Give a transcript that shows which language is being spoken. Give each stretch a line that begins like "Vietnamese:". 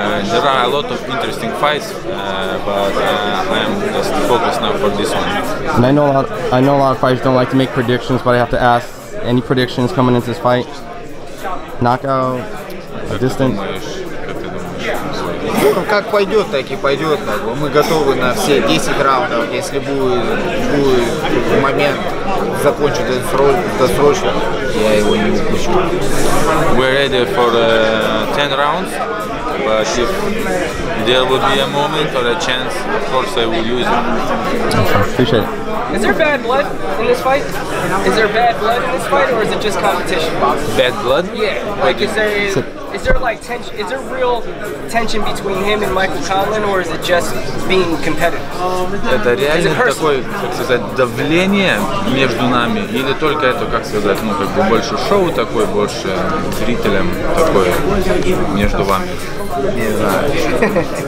English: There are a lot of interesting fights, but I am just focused now for this one. And I know a lot of fighters don't like to make predictions, but I have to ask, any predictions coming into this fight? Knockout? A distance?
Russian: Ну, как пойдет, так и пойдет. Мы готовы на все 10 раундов, если будет момент закончить этот срок досрочно, я его не выпущу.
English: We're ready for 10 rounds, but if there will be a moment or a chance, of course I will use it. Appreciate it. Is there bad blood in this fight? Is there bad blood in this fight, or is it just competition? Bad blood? Yeah. Like, is there tension? Is there real tension between him and Michael Conlon, or is it just being competitive?
Russian: Это реально такое, как сказать, давление между нами, или только это, как сказать, ну как бы больше шоу такое, больше зрителям такое между вами? Не знаю.